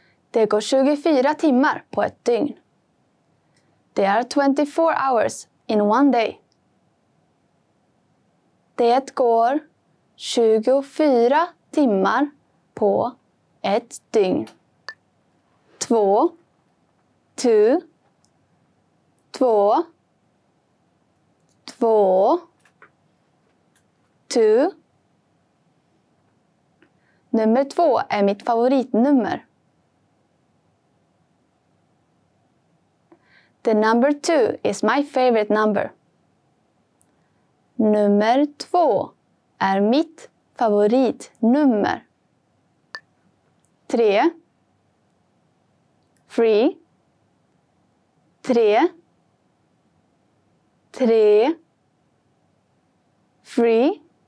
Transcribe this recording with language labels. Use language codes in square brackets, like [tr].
[sv] Det går 24 timmar på ett dygn. [en] There are 24 hours in one day. [sv] Det går 24 timmar på ett dygn. Två, [en] two, [sv] två, två, two. Nummer två är mitt favoritnummer. [en] The number two is my favorite number. [sv] Nummer två är mitt favoritnummer. Tre. [en] Three. [sv] Tre. Tre. [en] Three.